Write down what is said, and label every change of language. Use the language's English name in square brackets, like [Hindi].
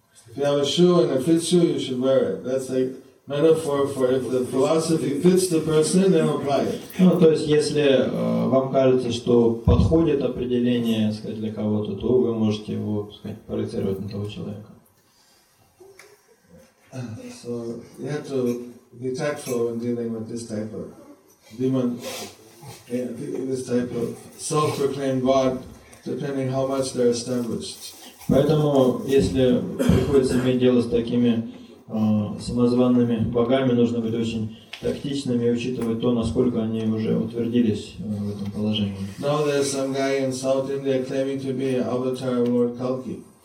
[English] If you have a shoe and it fits you, you should wear it. That's a metaphor for if the philosophy fits the person, then apply it. [Russian] Ну, то есть, если вам кажется, что подходит определение, сказать, для кого-то, то вы можете его, сказать, проецировать на того человека. [English] So you have to be tactful when dealing with this type of demon, this type of self-proclaimed God, depending how much they're established. [Russian] Поэтому, если приходится иметь дело с такими самозванными богами, нужно быть очень тактичными и учитывать то, насколько они уже утвердились в этом положении. [English] Now there's some guy in South India claiming to be avatar of Lord Kalki.